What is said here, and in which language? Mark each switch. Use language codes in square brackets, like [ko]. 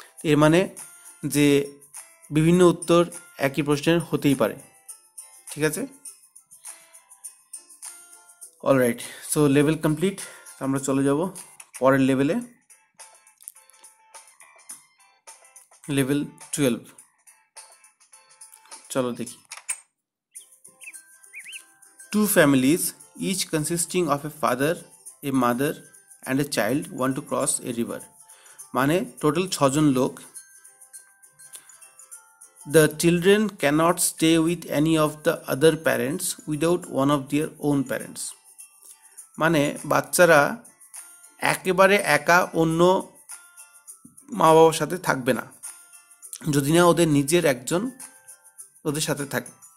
[bn] এর মানে যে বিভিন্ন উত্তর একই প্রশ্নের হতেই পারে, ঠিক আছে? [en] all right, so level complete, [bn] আমরা চলে যাব পরের লেভেলে, লেভেল 12। চলো দেখি। [en] Two families, each consisting of a father, a mother, and a child want to cross a river, [bn] মানে টোটাল ছজন লোক। [en] the children can't stay with any of the other parents without one of their own parents, [bn] মানে বাচ্চারা একেবারে একা অন্য মা বাবার সাথে থাকবে না যদি না ওদের নিজের একজন ওদের সাথে থাকে।